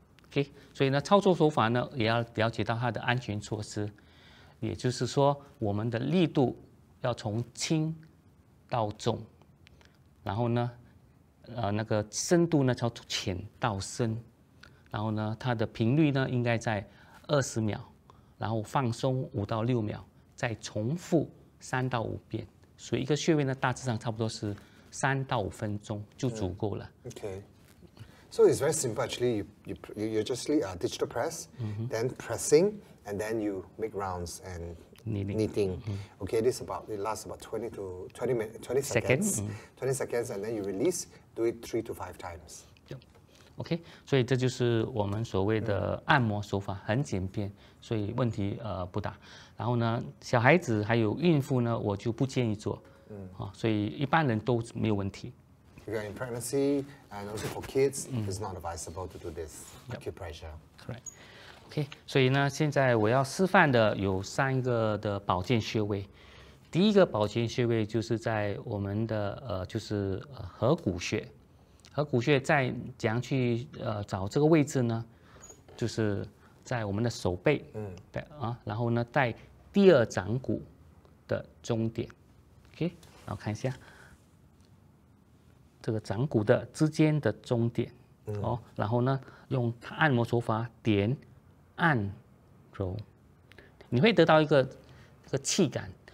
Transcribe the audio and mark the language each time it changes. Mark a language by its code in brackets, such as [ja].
[zh] Okay, 所以呢，操作手法呢也要了解到它的安全措施，也就是说我们的力度要从轻到重，然后呢那个深度呢从浅到深，然后呢它的频率呢应该在20秒，然后放松5到6秒，再重复3到5遍，所以一个穴位呢大致上差不多是3到5分钟就足够了。 [en] Okay. So it's very simple actually. You just a digital press, then pressing, and then you make rounds and kneading. Okay, this about it lasts about 20 seconds. Mm-hmm. 20 seconds and then you release, do it 3 to 5 times. [zh] Okay, 所以这就是我们所谓的按摩手法，很简便，所以问题不大。然后呢，小孩子还有孕妇呢，我就不建议做，所以一般人都没有问题。 [en] If you're in pregnancy and also for kids, it's not advisable to do this acupressure. Correct. [zh] Okay, 所以呢，现在我要示范的有三个的保健穴位。第一个保健穴位就是在我们的就是合谷穴。合谷穴在怎样去找这个位置呢？就是在我们的手背，然后呢，在第二掌骨的中点 ，OK， 然后看一下这个掌骨的之间的中点，然后呢，用按摩手法点、按、揉，你会得到一个气感。